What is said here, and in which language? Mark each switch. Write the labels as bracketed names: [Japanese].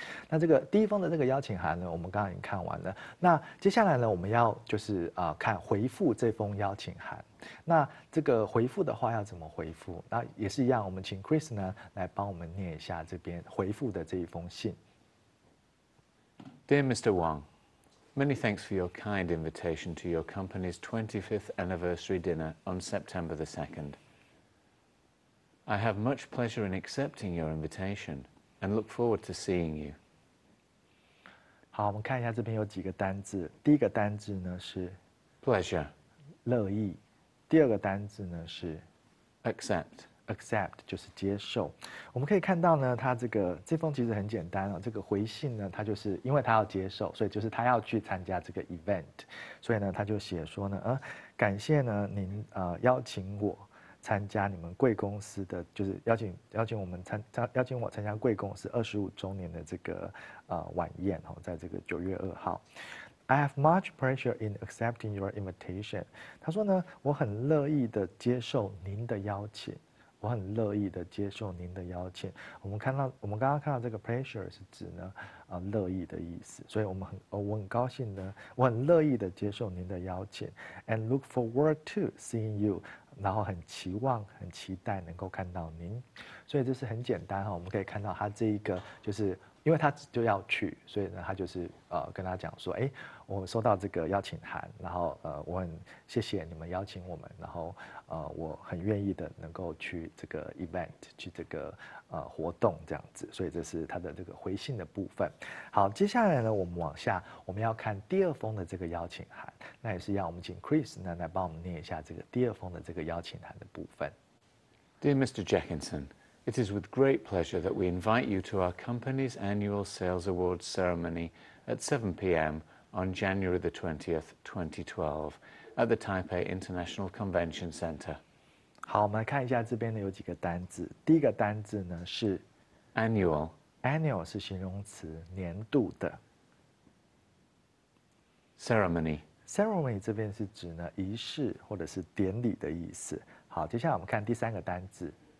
[Chinese] 那这个第一封的这个邀请函呢我们刚刚已经看完了，那接下来呢我们要就是看回复这封邀请函。那这个回复的话要怎么回复？那也是一样，我们请 Chris 呢来帮我们念一下这边回复的这一封信。 [English] Dear Mr. Wang, many thanks for your kind invitation to your company's 25th anniversary dinner on September the 2nd. I have much pleasure in accepting your invitation and look forward to seeing you. [Chinese] 好，我们看一下这边有几个单字。第一个单字呢是 [English] pleasure， [Chinese] 乐意。第二个单字呢是 [English] accept [Chinese] 就是接受。我们可以看到呢，他这个这封其实很简单这个回信呢，他就是因为他要接受，所以就是他要去参加这个 event， 所以呢他就写说呢，感谢呢您邀请我参加你们贵公司的，就是邀请我参加贵公司25周年的这个晚宴在这个9月2号。 [English] I have much pleasure in accepting your invitation. [Chinese] 他说呢，我很乐意的接受您的邀请。我很乐意的接受您的邀请。我们刚刚看到这个 pleasure 是指呢，乐意的意思。所以我很高兴呢，我很乐意的接受您的邀请。 [English] And look forward to seeing you. [Chinese] 然后很期望、很期待能够看到您。所以这是很简单我们可以看到他这一个就是。因为他就要去，所以呢他就是跟他讲说，我收到这个邀请函，然后我很谢谢你们邀请我们，然后我很愿意的能够去这个 event， 去这个活动这样子。所以这是他的这个回信的部分。好，接下来呢我们往下，我们要看第二封的这个邀请函。那也是要我们请 Chris 呢来帮我们念一下这个第二封的这个邀请函的部分。 [English] Dear Mr. Jackinson,It is with great pleasure that we invite you to our company's annual sales awards ceremony at 7 p.m. on January the 20th, 2012, at the Taipei International Convention Center. [Chinese] 好，我们来看一下这边呢有几个单字。第一个单字呢是 [English] annual。 [Chinese] annual 是形容词，年度的。 [English] ceremony. [Chinese] Ceremony 这边是指呢仪式或者是典礼的意思。好，接下来我们看第三个单字